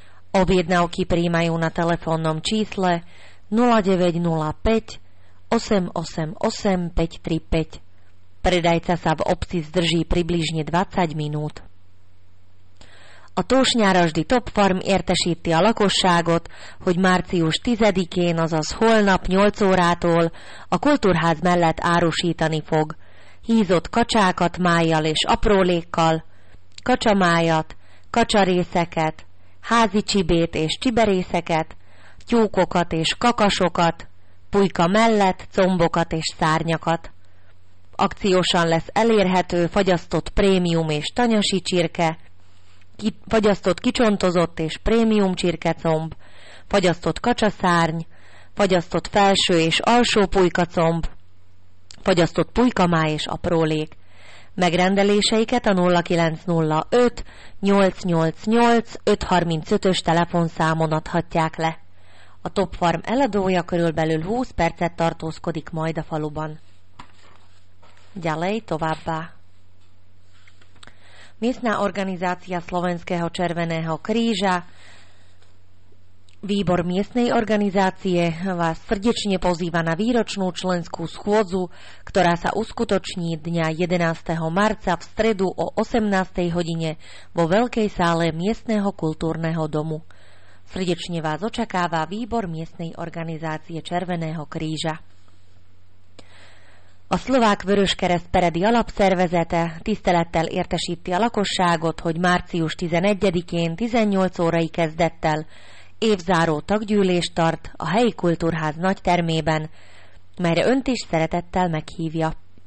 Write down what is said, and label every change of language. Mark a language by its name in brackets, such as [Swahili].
[Slovak] Objednávky prijímajú na telefónnom čísle 0905 888 535. Predajca sa v obci zdrží približne 20 minút. [Hungarian] A túsnyára zsdi Topform értesíti a lakosságot, hogy március 10-én, azaz holnap 8 órától a kultúrház mellett árusítani fog hízott kacsákat májjal és aprólékkal, kacsamájat, kacsarészeket, házi csibét és csiberészeket, tyúkokat és kakasokat, pulyka mellett combokat és szárnyakat. Akciósan lesz elérhető fagyasztott prémium és tanyasi csirke, fagyasztott kicsontozott és prémium csirkecomb, fagyasztott kacsaszárny, fagyasztott felső és alsó pulykacomb, fagyasztott pulykamáj és aprólék. Megrendeléseiket a 0905 888 535-ös telefonszámon adhatják le. A Top Farm eladója körülbelül 20 percet tartózkodik majd a faluban. [Slovak] Ďalej [Hungarian] továbbá. [Slovak] Miestna organizácia Slovenského Červeného kríža, výbor miestnej organizácie, vás srdečne pozýva na výročnú členskú schôdzu, ktorá sa uskutoční dňa 11. marca v stredu o 18. hodine vo veľkej sále miestneho kultúrneho domu. Srdečne vás očakáva výbor miestnej organizácie Červeného kríža. [Hungarian] A Szlovák Vöröskereszt Peredi alapszervezete tisztelettel értesíti a lakosságot, hogy március 11-én 18 órai kezdettel évzáró taggyűlést tart a helyi kultúrház nagy termében, melyre önt is szeretettel meghívja.